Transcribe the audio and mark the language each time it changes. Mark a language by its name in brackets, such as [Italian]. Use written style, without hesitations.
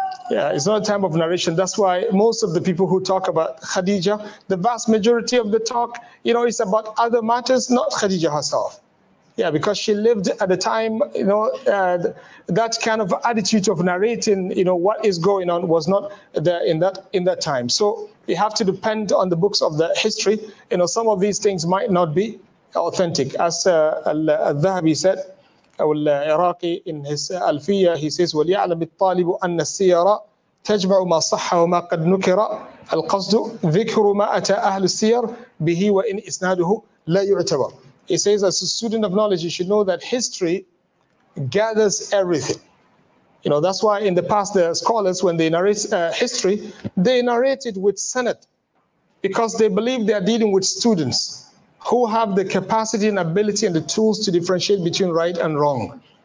[English] Yeah, it's not a time of narration. That's why most of the people who talk about Khadijah, the vast majority of the talk, you know, is about other matters, not Khadijah herself. Yeah, because she lived at a time, you know, that kind of attitude of narrating, you know, what is going on was not there in that time. So you have to depend on the books of the history. You know, some of these things might not be authentic. As Al-Dhahabi said, Iraqi in his Alfiya, he says, [Arabic] وَلْيَعْلَمِ الطَّالِبُ أَنَّ السِّيَرَ تَجْمَعُ مَا صَحَّ وَمَا قَدْ نُكِرَ الْقَصْدُ ذِكْرُ مَا أَتَى أَهْلُ السِّيَرَ بِهِ وَإِنْ إِسْنَادُهُ لَا يُعْتَبَرُ. [English] He says, as a student of knowledge, you should know that history gathers everything. You know, that's why in the past, the scholars, when they narrate history, they narrate it with sanad, because they believe they are dealing with students who have the capacity and ability and the tools to differentiate between right and wrong.